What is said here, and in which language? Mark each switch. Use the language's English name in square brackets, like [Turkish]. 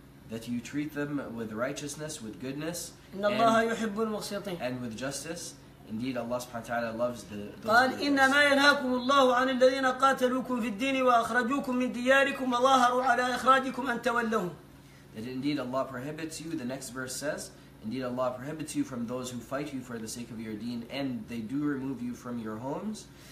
[English] That you treat them with righteousness, with goodness, and with justice. Indeed, Allah subhanahu wa ta'ala loves the. [Arabic] قال إنما ينهاكم الله عن الذين قاتلوكم في الدين وأخرجوكم من دياركم وظاهروا على إخراجكم أن تولوهم. [English] That indeed Allah prohibits you. The next verse says, indeed Allah prohibits you from those who fight you for the sake of your deen, and they do remove you from your homes.